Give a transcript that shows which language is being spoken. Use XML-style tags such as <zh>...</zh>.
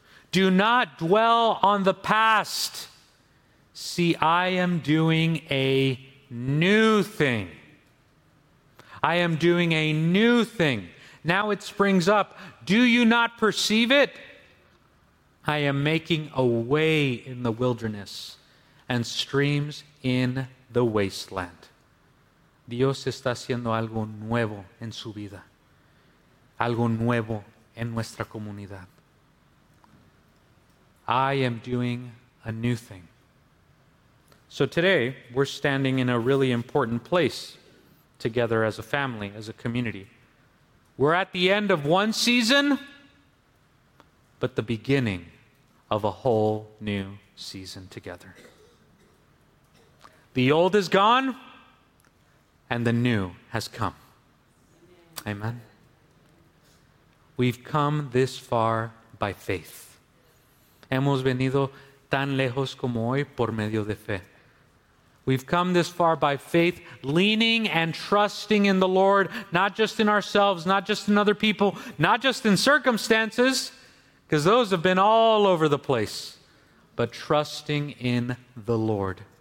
<en>Do not dwell on the past. See, I am doing a new thing. I am doing a new thing. Now it springs up. Do you not perceive it? I am making a way in the wilderness and streams in the wasteland.</en> <es>Dios está haciendo algo nuevo en su vida. Algo nuevo en nuestra comunidad.</es> <en>I am doing a new thing. So today, we're standing in a really important place together as a family, as a community. We're at the end of one season, but the beginning of a whole new season together. The old is gone, and the new has come. Amen. We've come this far by faith.</en> <es>Hemos venido tan lejos como hoy por medio de fe.</es> <en>We've come this far by faith, leaning and trusting in the Lord, not just in ourselves, not just in other people, not just in circumstances, because those have been all over the place, but trusting in the Lord.</en>